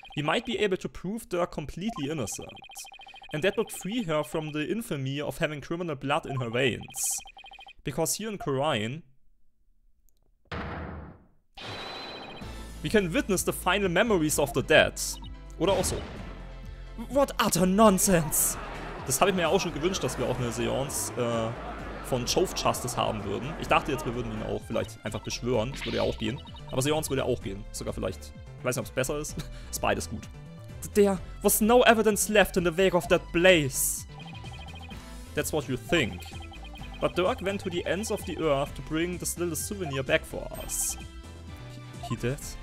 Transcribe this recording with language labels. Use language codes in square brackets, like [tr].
[en] We might be able to prove they are completely innocent. And that would free her from the infamy of having criminal blood in her veins. Because here in Corain... We can witness the final memories of the dead. [de] Oder auch so. [en] What utter nonsense! [de] Das habe ich mir ja auch schon gewünscht, dass wir auch eine Seance von Jove Justice haben würden. Ich dachte jetzt, wir würden ihn auch vielleicht einfach beschwören. Das würde ja auch gehen. Aber Seance würde ja auch gehen. Sogar vielleicht... Ich weiß nicht, ob es besser ist. Ist beides gut. [en] There was no evidence left in the wake of that blaze. That's what you think. But Dirk went to the ends of the earth to bring this little souvenir back for us. He did?